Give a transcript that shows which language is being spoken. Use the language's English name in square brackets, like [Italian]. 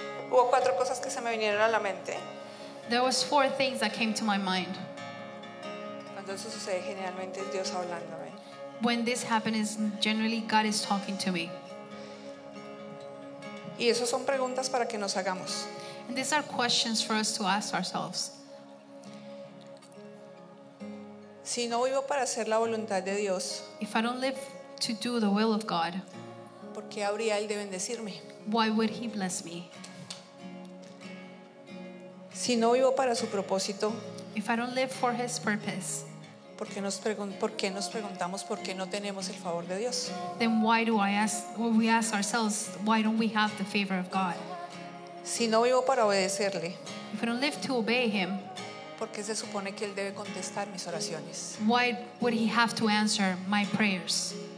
[Spanish] hubo cuatro cosas que se me vinieron a la mente. [English] There was four things that came to my mind. [Spanish] Cuando eso sucede, generalmente es Dios hablándome. [English] When this happens, generally God is talking to me. [Spanish] Y eso son preguntas para que nos hagamos. [English] And these are questions for us to ask ourselves. [Spanish] Si no vivo para hacer la voluntad de Dios, [English] if I don't live to do the will of God, [Spanish] ¿por qué habría Él de bendecirme? [English] Why would He bless me? [Spanish] Si no vivo para su propósito, [English] if I don't live for His purpose, [Spanish] ¿por qué nos preguntamos por qué no tenemos el favor de Dios? [English] Then why do I ask, or we ask ourselves, why don't we have the favor of God? [Spanish] Si no vivo para obedecerle, [English] if I don't live to obey Him, [Spanish] ¿por qué se supone que Él debe contestar mis oraciones? [English] Why would He have to answer my prayers?